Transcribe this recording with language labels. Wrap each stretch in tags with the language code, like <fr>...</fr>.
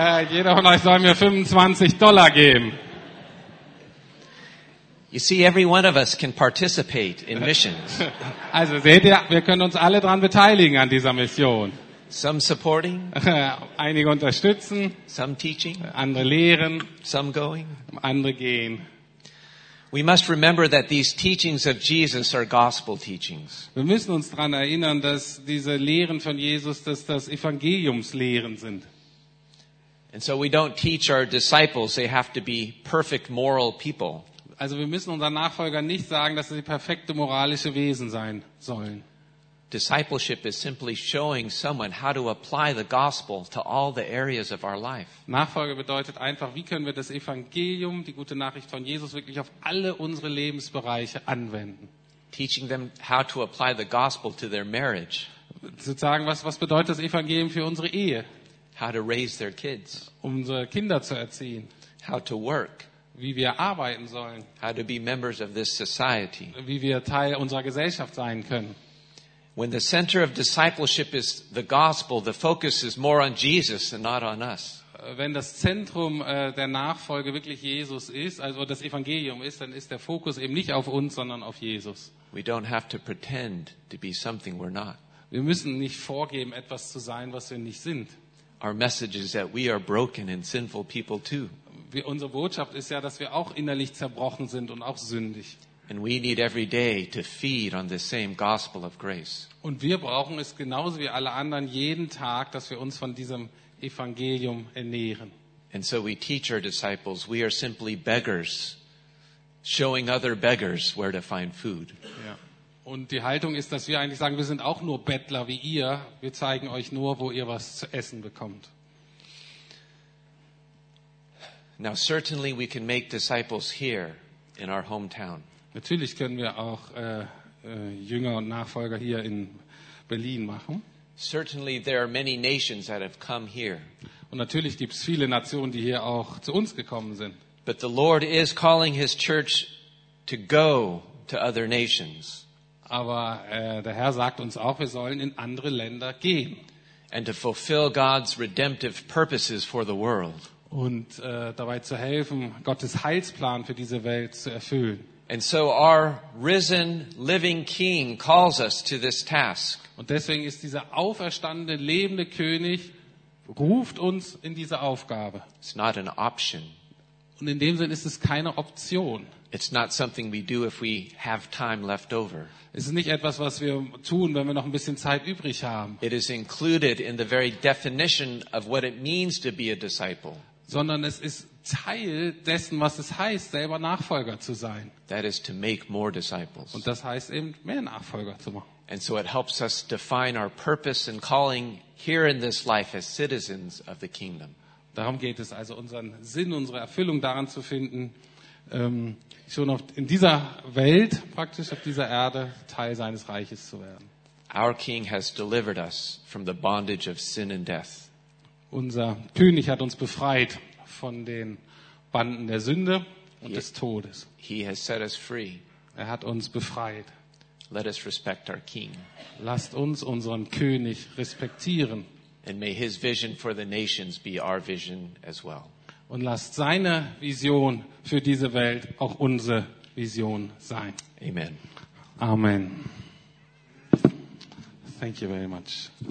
<de>jeder von euch soll mir $25 geben.</de> <en>You see, every one of us can participate in missions.</en> <de>Also seht ihr, wir können uns alle dran beteiligen an dieser Mission.</de> <en>Some supporting.</en> <de>Einige unterstützen.</de> <en>Some teaching.</en> <de>Andere lehren.</de> <en>Some going.</en> <de>Andere gehen.</de> <en>We must remember that these teachings of Jesus are gospel teachings.</en> <de>Wir müssen uns dran erinnern, dass diese Lehren von Jesus, dass das Evangeliumslehren sind.</de> <en>And so we don't teach our disciples they have to be perfect moral people.</en> <de>Also wir müssen unseren Nachfolgern nicht sagen, dass sie perfekte moralische Wesen sein sollen.</de> <en>Discipleship is simply showing someone how to apply the gospel to all the areas of our life.</en> <de>Nachfolge bedeutet einfach, wie können wir das Evangelium, die gute Nachricht von Jesus wirklich auf alle unsere Lebensbereiche anwenden?</de> <en>Teaching them how to apply the gospel to their marriage.</en> <de>Zu sagen, was bedeutet das Evangelium für unsere Ehe?</de> <en>How to raise their kids.</en> <de>Unsere Kinder zu erziehen.</de> <en>How to work.</en> <de>Wie wir arbeiten sollen.</de> <en>How to be members of this society.</en> <de>Wie wir Teil unserer Gesellschaft sein können.</de> <en>When the center of discipleship is the gospel, the focus is more on Jesus and not on us.</en> <de>wenn das Zentrum der Nachfolge wirklich Jesus ist, also das Evangelium ist, dann ist der Fokus eben nicht auf uns, sondern auf Jesus.</de> <en>We don't have to pretend to be something we're not.</en> <de>Wir müssen nicht vorgeben, etwas zu sein, was wir nicht sind.</de> <en>Our message is that we are broken and sinful people too.</en> <de>Unsere Botschaft ist ja, dass wir auch innerlich zerbrochen sind und auch sündig.</de> <en>And we need every day to feed on the same gospel of grace.</en> <de>Und wir brauchen es genauso wie alle anderen jeden Tag, dass wir uns von diesem Evangelium ernähren.</de> <en>And so we teach our disciples, we are simply beggars, showing other beggars where to find food.</en> <de>Ja. Und die Haltung ist, dass wir eigentlich sagen, wir sind auch nur Bettler wie ihr, wir zeigen euch nur, wo ihr was zu essen bekommt.</de> <en>Now certainly we can make disciples here in our hometown.</en> <de>Natürlich können wir auch Jünger und Nachfolger hier in Berlin machen.</de> <en>Certainly there are many nations that have come here.</en> <de>Und natürlich gibt es viele Nationen, die hier auch zu uns gekommen sind.</de> <en>But the Lord is calling his church to go to other nations.</en> <de>Aber der Herr sagt uns auch, wir sollen in andere Länder gehen.</de> <en>And to fulfill God's redemptive purposes for the world.</en> <de>Und dabei zu helfen, Gottes Heilsplan für diese Welt zu erfüllen.</de> <en>And so our risen living king calls us to this task.</en> <de>Und deswegen ist dieser auferstandene lebende König ruft uns in diese Aufgabe.</de> <en>It's not an option.</en> <de>Und in dem Sinn ist es keine Option.</de> <en>It's not something we do if we have time left over.</en> <de>Es ist nicht etwas, was wir tun, wenn wir noch ein bisschen Zeit übrig haben.</de> <en>It is included in the very definition of what it means to be a disciple.</en> <de>Sondern es ist Teil dessen, was es heißt, selber Nachfolger zu sein.</de> <en>That is to make more disciples.</en> <de>Und das heißt eben, mehr Nachfolger zu machen.</de> <en>And so it helps us define our purpose and calling here in this life as citizens of the kingdom.</en> <de>Darum geht es also, unseren Sinn, unsere Erfüllung daran zu finden, schon in dieser Welt, praktisch auf dieser Erde, Teil seines Reiches zu werden.</de> <en>Our King has delivered us from the bondage of sin and death.</en> <de>Unser König hat uns befreit von den Banden der Sünde und des Todes.</de> <en>He has set us free.</en> <de>Er hat uns befreit.</de> <en>Let us respect our King.</en> <de>Lasst uns unseren König respektieren.</de> <en>And may his vision for the nations be our vision as well.</en> <de>Und lasst seine Vision für diese Welt auch unsere Vision sein.</de> <en>Amen.</en> <de>Amen.</de> <en>Thank you very much.</en>